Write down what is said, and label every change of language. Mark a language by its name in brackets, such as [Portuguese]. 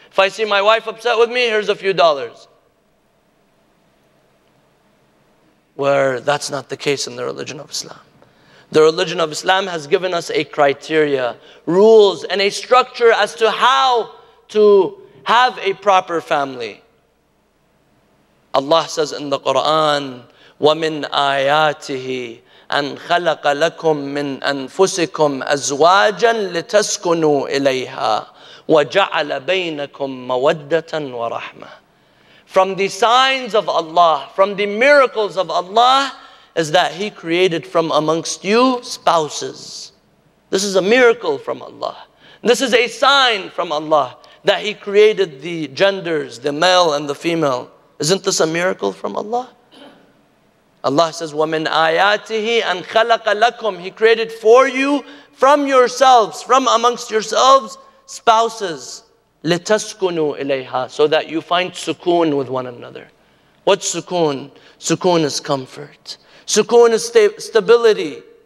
[English] If I see my wife upset with me, here's a few dollars. Where that's not the case in the religion of Islam. The religion of Islam has given us a criteria, rules, and a structure as to how to have a proper family. Allah says in the Quran, [Arabic] وَمِنْ آيَاتِهِ أَنْ خَلَقَ لَكُمْ مِنْ أَنفُسِكُمْ أَزْوَاجًا لِتَسْكُنُوا إِلَيْهَا وَجَعَلَ بَيْنَكُمْ مَوَدَّةً وَرَحْمَةً. [English] From the signs of Allah, from the miracles of Allah, is that He created from amongst you spouses. This is a miracle from Allah. This is a sign from Allah that He created the genders, the male and the female. Isn't this a miracle from Allah? Allah says, [Arabic] وَمِنْ آيَاتِهِ أَنْ خَلَقَ لَكُمْ. [English] He created for you, from yourselves, from amongst yourselves, spouses. [Arabic] لِتَسْكُنُوا إِلَيْهَا. [English] So that you find sukoon with one another. What's sukoon? Sukoon is comfort. Sukoon is stability.